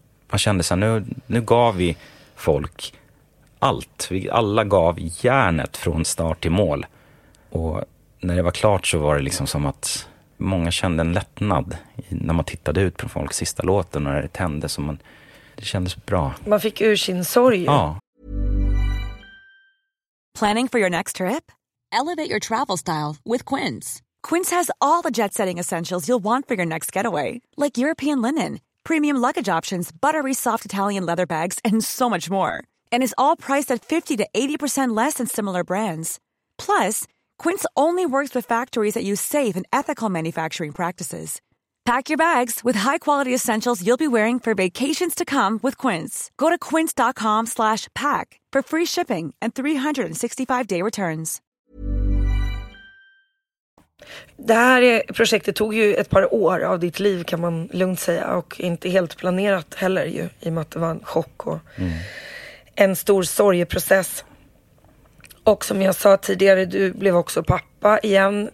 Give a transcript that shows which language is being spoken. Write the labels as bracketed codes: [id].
[sv] Man kände såhär, nu gav vi folk allt, vi alla gav hjärnet från start till mål, och när det var klart så var det liksom som att många kände en lättnad när man tittade ut på folk sista låten och när det tände, så man, det kändes bra. Man fick ur sin sorg. Ja. [en] Planning for your next trip? Elevate your travel style with Quince. Quince has all the jet-setting essentials you'll want for your next getaway, like European linen, premium luggage options, buttery soft Italian leather bags, and so much more. And it's all priced at 50 to 80% less than similar brands. Plus, Quince only works with factories that use safe and ethical manufacturing practices. Pack your bags with high-quality essentials you'll be wearing for vacations to come with Quince. Go to quince.com/pack for free shipping and 365-day returns. [sv] Det här projektet tog ju ett par år av ditt liv, kan man lugnt säga, och inte helt planerat heller ju, i och med att det var en chock och en stor sorgeprocess. Och som jag sa tidigare, du blev också pappa igen.